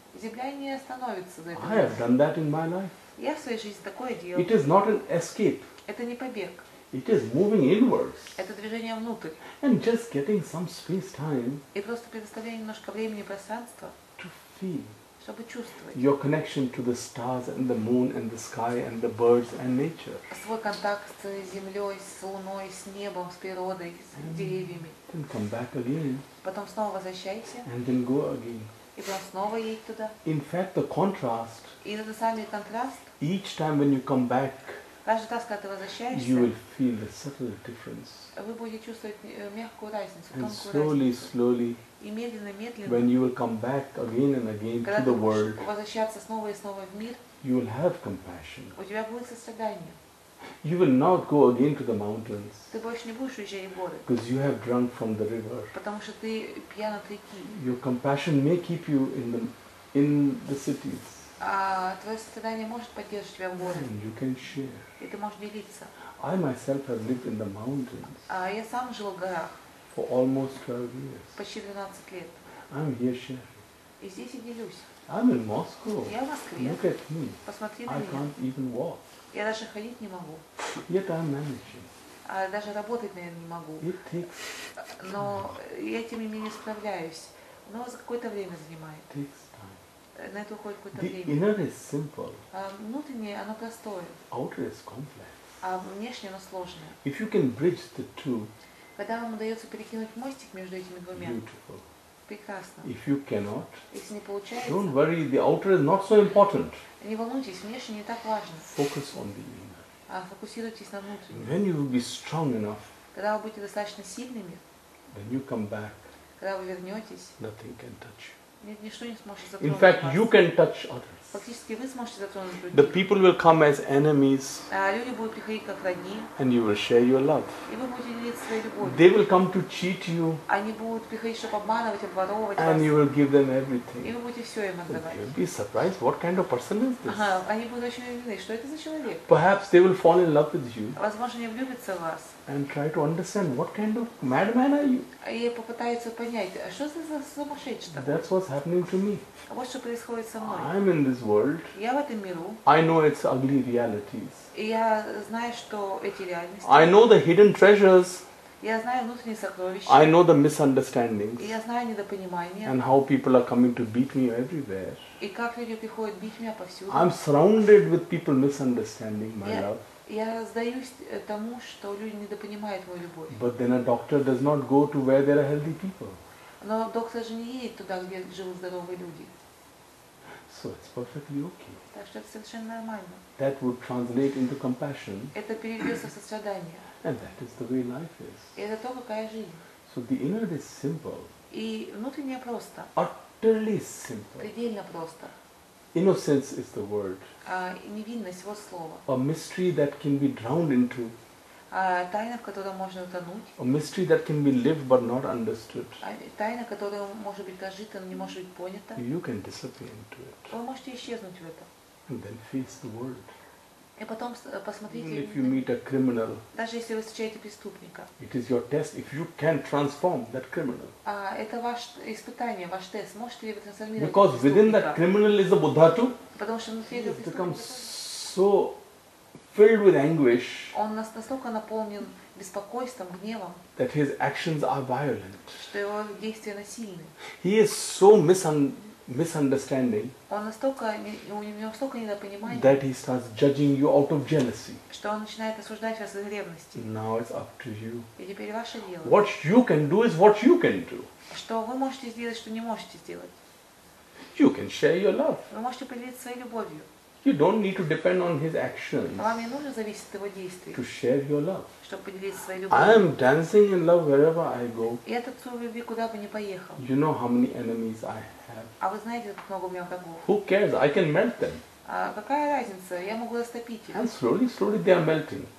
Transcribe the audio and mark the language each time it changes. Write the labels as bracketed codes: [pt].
[ru] Земля не остановится за это. [en] I have done that in my life. [ru] Я в своей жизни такое делал. [en] It is not an escape. [ru] Это не побег. [en] It is moving inwards. [ru] Это движение внутрь. [en] And just getting some space time. [ru] И просто предоставление немножко времени и пространства. [en] To feel. [ru] Чтобы чувствовать. [en] Your connection to the stars and the moon and the sky and the birds and nature. [ru] Свой контакт с землей, с луной, с небом, с природой, с деревьями. [en] Then come back again. [ru] Потом снова возвращайся. [en] And then go again. [ru] И потом снова едь туда. [en] In fact, the contrast. [ru] И это самый контраст. [en] Each time when you come back. [ru] Каждый раз, когда ты возвращаешься. [en] You will feel a subtle difference. [ru] Вы будете чувствовать мягкую разницу, [en] and slowly, [ru] разницу. [en] Slowly. [ru] И медленно, медленно. [en] When you will come back again and again to the world. [ru] Когда ты будешь возвращаться снова и снова в мир. [en] You will have compassion. [ru] У тебя будет сострадание. [en] You will not go again to the mountains. [ru] Ты больше не будешь уезжать в горы. [en] Because you have drunk from the river. [ru] Потому что ты пьян от реки. [en] Your compassion may keep you in the cities. [ru] А твое сострадание может поддерживать тебя в горы. [en] And you can share. [ru] И ты можешь делиться. [en] I myself have lived in the mountains. [ru] А я сам жил в горах. [en] For almost 12 years. [ru] Почти 12 лет. [en] I'm here sharing. [ru] И здесь я делюсь. [en] I'm in Moscow. [ru] Я в Москве. [en] Look at me. [ru] Посмотри на меня. [en] I can't even walk. [ru] Я даже ходить не могу. [en] Yet I'm managing. [ru] А даже работать, наверное, не могу. [en] It takes. [ru] Но я тем не менее справляюсь. Но за какое-то время занимает. [en] It takes time. [ru] На это уходит какое-то [en] the [ru] время. [en] Inner is simple. [ru] А внутреннее, оно простое. [en] Outer is complex. [ru] А внешнее, оно сложное. [en] If you can bridge the two. [ru] Когда вам удается перекинуть мостик между этими двумя. [en] Beautiful. [ru] Прекрасно. [en] If you cannot. [ru] Если не получается. [en] Don't worry, the outer is not so important. [ru] Не волнуйтесь, внешне не так важно. [en] Focus on the inner. [ru] А фокусируйтесь на внутреннем. [en] When you will be strong enough. [ru] Когда вы будете достаточно сильными. [en] When you come back. [ru] Когда вы вернетесь. [en] Nothing can touch you. [ru] Ничто не сможет затронуть [en] In fact, [ru] вас. [en] You can touch others. [ru] Фактически вы сможете затронуть других. [en] The people will come as enemies. [ru] А люди будут приходить как враги. [en] And you will share your love. [ru] И вы будете делиться своей любовью. [en] They will come to cheat you. [ru] Они будут приходить, чтобы обманывать, обворовывать [en] and [ru] вас. [en] And you will give them everything. [ru] И вы будете все им отдавать. [en] You'll be surprised. What kind of person is this? [ru] Они будут очень удивлены. Что это за человек? [en] Perhaps they will fall in love with you. [ru] Возможно, они влюбятся в вас. [en] And try to understand what kind of madman are you? [ru] И попытаются понять, а что это за сумасшедший? [en] That's what's happening to me. [ru] Вот что происходит со мной. [en] I'm in this world. [ru] Я в этом миру. [en] I know its ugly realities. [ru] И я знаю, что эти реальности. [en] I know the hidden treasures. [ru] Я знаю внутренние сокровища. [en] I know the misunderstandings. [ru] И я знаю недопонимания. [en] And how people are coming to beat me everywhere. [ru] И как люди приходят бить меня повсюду. [en] I'm surrounded with people misunderstanding my love. [ru] Я сдаюсь тому, что люди недопонимают мою любовь. [en] But then a doctor does not go to where there are healthy people. [ru] Но доктор же не едет туда, где живут здоровые люди. [en] So it's perfectly okay. [ru] Так что это совершенно нормально. [en] That would translate into compassion. [ru] Это перевернется в сострадание. [en] And that is the way life is. [ru] И это то, какая жизнь. [en] So the inner is simple. [ru] И внутреннее просто. [en] Utterly simple. [ru] Предельно просто. [en] Innocence is the word. [ru] Невинность вот слово. [en] A mystery that can be drowned into. [ru] Тайна, в которой можно утонуть. [en] A mystery that can be lived but not understood. [ru] Тайна, которая может быть дожита, но не может быть понята. [en] You can disappear into it. [ru] Вы можете исчезнуть в этом. [en] And then face the world. [ru] И потом посмотрите. [en] Even if you meet a criminal. [ru] Даже если вы встречаете преступника. [en] It is your test if you can transform that criminal. [ru] Это ваше испытание, ваш тест. Можете ли вы трансформировать? [en] Because within that criminal is a Buddha too. [ru] Потому что внутри этого преступника. [en] He becomes so filled with anguish. [ru] Он настолько наполнен беспокойством, гневом. [en] That his actions are violent. [ru] Что его действия насильны. [en] He is so misunderstanding. [ru] Он настолько у него столько недопонимания. [en] That he starts judging you out of jealousy. [ru] Что он начинает осуждать вас из ревности. [en] Now it's up to you. [ru] И теперь ваше дело. [en] What you can do is what you can do. [ru] Что вы можете сделать, что не можете сделать. [en] You can share your love. [ru] Вы можете поделиться своей любовью. [en] You don't need to depend on his actions. [ru] Вам не нужно зависеть от его действий. [en] To share your love. [ru] Чтобы поделиться своей любовью. [en] I am dancing in love wherever I go. [ru] Я танцую в любви куда бы ни поехал. [en] You know how many enemies I have. [ru] А вы знаете, как много у меня врагов? [en] Who cares? I can melt them. [ru] А какая разница? Я могу растопить их. [en] And slowly, slowly they are melting.